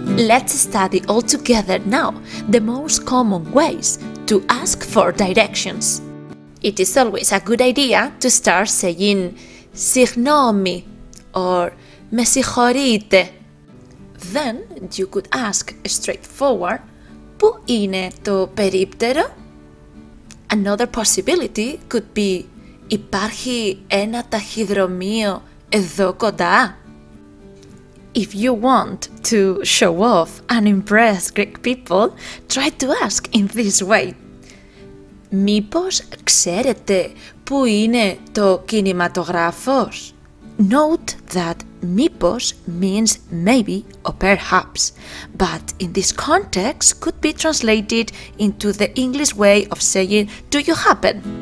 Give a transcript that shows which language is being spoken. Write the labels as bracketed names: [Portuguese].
[English] Let's study all together now the most common ways to ask for directions. It is always a good idea to start saying Signomi or [Greek] Me sighorite. [English] Then you could ask straightforward [Greek] Pou ine to periptero? [English] Another possibility could be [Greek] Υπάρχει ένα ταχυδρομείο εδώ κοντά? [English] If you want to show off and impress Greek people, try to ask in this way. [Greek] Μήπως ξέρετε πού είναι το κινηματογράφος? [English] Note that μήπως means maybe or perhaps, but in this context could be translated into the English way of saying do you happen?